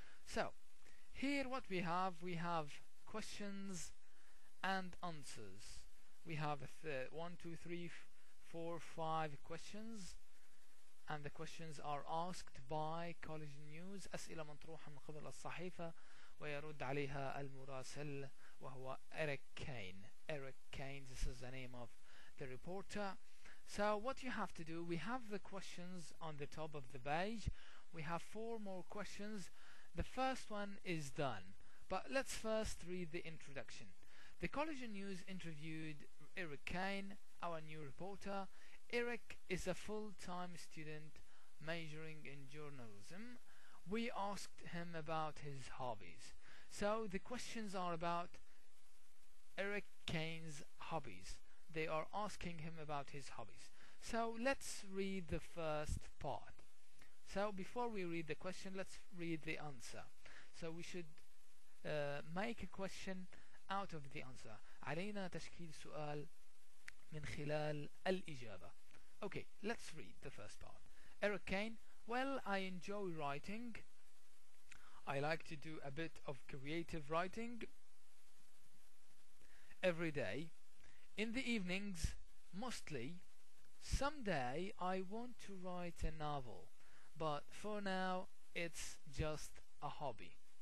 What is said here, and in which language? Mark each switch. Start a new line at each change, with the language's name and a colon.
English: So here what we have, we have questions and answers. We have 1, 2, 3, 4, 5 questions, and the questions are asked by College News.
Arabic: أسئلة مطروحة من قبل الصحيفة ويرد عليها المراسل وهو Eric Kane.
English: This is the name of the reporter. So what you have to do, we have the questions on the top of the page. We have 4 more questions. The first one is done, but let's first read the introduction. The College News interviewed Eric Kane, our new reporter. Eric is a full-time student majoring in journalism. We asked him about his hobbies. So the questions are about Eric Kane's hobbies. They are asking him about his hobbies. So let's read the first part. So before we read the question, let's read the answer. So we should make a question out of the answer.
Arabic: علينا تشكيل سؤال من خلال الإجابة.
English: Okay, let's read the first part. Eric Kane, well, I enjoy writing. I like to do a bit of creative writing every day. In the evenings, mostly, Someday I want to write a novel, but for now it's just a hobby.